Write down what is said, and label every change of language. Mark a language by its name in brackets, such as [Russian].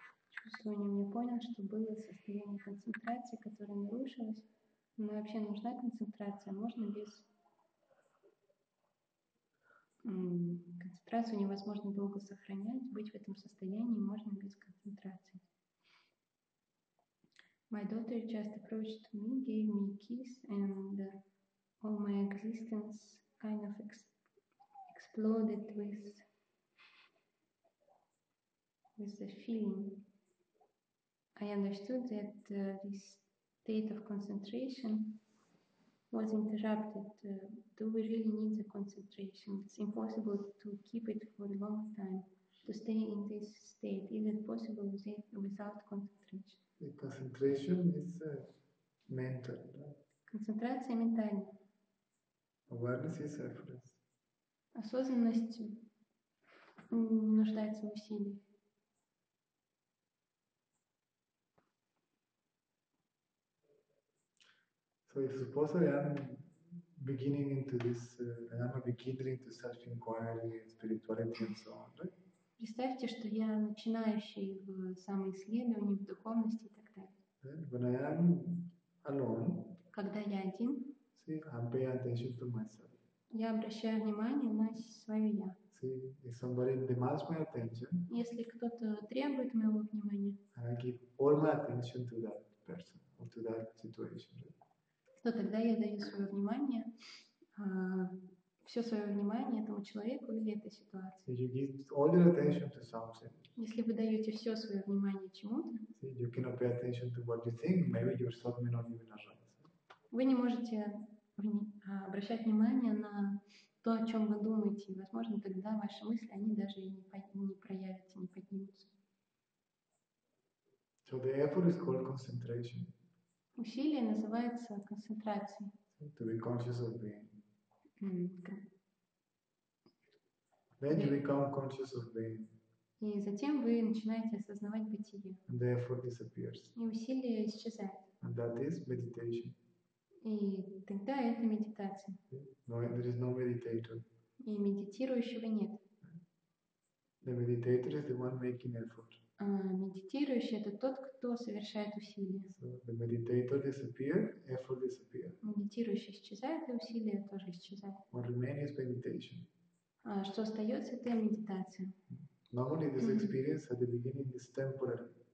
[Russian] Чувствую, не мне понял, что было состояние концентрации, которое нарушилось. Но вообще нужна концентрация, можно без... Концентрацию невозможно долго сохранять, быть в этом состоянии можно без концентрации. [English] My daughter just approached me, gave me a kiss, and all my existence kind of exploded with the feeling. I understood that this state of concentration was interrupted. Do we really need the concentration? It's impossible to keep it for a long time, to stay in this state. Is it possible without concentration? The concentration is mental, right? [Russian] Концентрация ментальна. [English] Awareness is effortless. [Russian] Осознанность не нуждается в усилии. [English] So if suppose I am beginning into this, I am a beginner into self-inquiry, spirituality and so on, right? [Russian] Представьте, что я начинающий в самоисследовании, в духовности и так далее. [English] When I am alone, [Russian] когда я один, [English] see, I'm paying attention to myself. [Russian] Я обращаю внимание на свое я. [English] See, if somebody demands my attention, [Russian] если кто-то требует моего внимания, [English] and I give all my attention to that person or to that situation, right? [Russian] То тогда я даю свое внимание. Все свое внимание этому человеку или этой ситуации. [English] You give all your attention to something. [Russian] Если вы даете все свое внимание чему-то, [English] you cannot pay attention to what you think. Maybe your thought may not even arise. [Russian] Вы не можете обращать внимание на то, о чем вы думаете. Возможно, тогда ваши мысли они даже и не проявятся, не поднимутся. [English] So the effort is called concentration. [Russian] Усилие называется концентрацией. [English] To be conscious of being. Then you become conscious of being. [Russian] И затем вы начинаете осознавать бытие. [English] And the effort disappears. [Russian] И усилие исчезает. [English] And that is meditation. [Russian] И тогда это медитация. [English] No, there is no meditator. [Russian] И медитирующего нет. [English] The meditator is the one making effort. [Russian] А медитирующий — это тот, кто совершает усилия. [English] So the meditator disappears, effort disappears. [Russian] Медитирующий исчезает, и усилие тоже исчезает. [English] What remains is meditation. [Russian] А что остается — это медитация. [English] Normally this experience at the beginning is temporary.